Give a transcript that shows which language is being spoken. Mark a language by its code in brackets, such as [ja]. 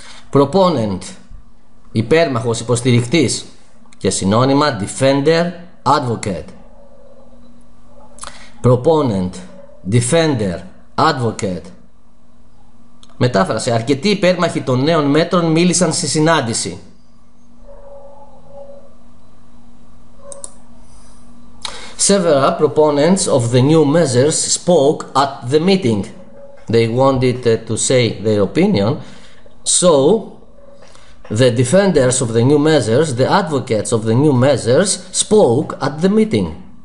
[el] Proponent, υπέρμαχος, υποστηρικτής, και συνώνυμα defender, advocate. [en] Proponent, defender, advocate. [el] Μετάφρασε, αρκετοί υπέρμαχοι των νέων μέτρων μίλησαν στη συνάντηση. [en] Several proponents of the new measures spoke at the meeting. They wanted to say their opinion. So, the defenders of the new measures, the advocates of the new measures, spoke at the meeting.